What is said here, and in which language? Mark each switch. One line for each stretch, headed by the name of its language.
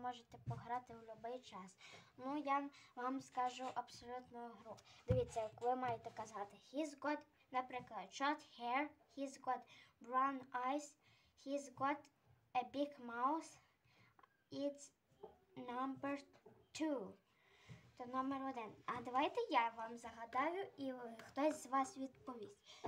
Ukrainian: Можете пограти в будь-який час. Ну, я вам скажу абсолютну гру. Дивіться, як ви маєте казати.
English: He's got,
Ukrainian: наприклад,
English: short hair, he's got brown eyes, he's got a big mouth, it's number two.
Ukrainian: Це номер один. А давайте я вам загадаю і хтось з вас відповість.